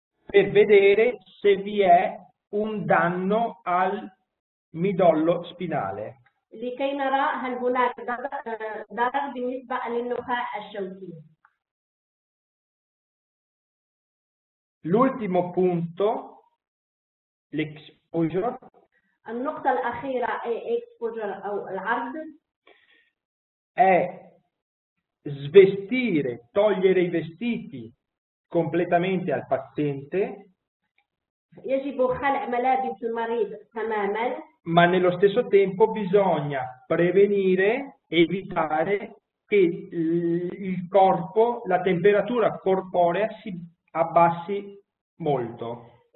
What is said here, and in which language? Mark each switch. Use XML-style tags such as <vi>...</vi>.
<it>per vedere se vi è un danno al midollo spinale.</it> <ar>لكي نرى هل هناك ضرر بالنسبة للنخاع الشوكي.</ar> <it>L'ultimo punto, l'exposure.</it> <ar>النقطة الأخيرة هي exposure أو العرض.</ar> <it>È svestire, togliere i vestiti completamente al paziente.</it> <ar>يجب خلع ملابس المريض تماما.</ar> <it>Ma nello stesso tempo bisogna prevenire, evitare che il corpo, la temperatura corporea si abbassi molto.</it>